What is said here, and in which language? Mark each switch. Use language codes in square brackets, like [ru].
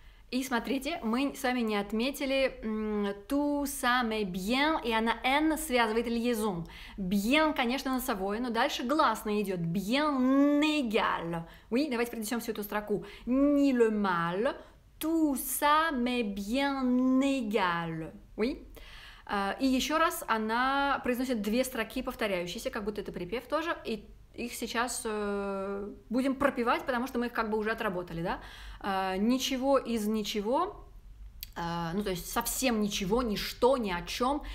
[ru] И смотрите, мы с вами не отметили [fr] tout ça m'est bien, [ru] и она N связывает liaison. Bien, конечно, носовое, но дальше гласное идет. [fr] Bien égal. Oui, [ru] давайте принесем всю эту строку. [fr] Ni le mal, tout ça m'est bien égal. Oui. [ru] И еще раз она произносит две строки повторяющиеся, как будто это припев тоже, и их сейчас будем пропевать, потому что мы их как бы уже отработали, да? Ничего из ничего, ну, то есть совсем ничего, ничто, ни о чем.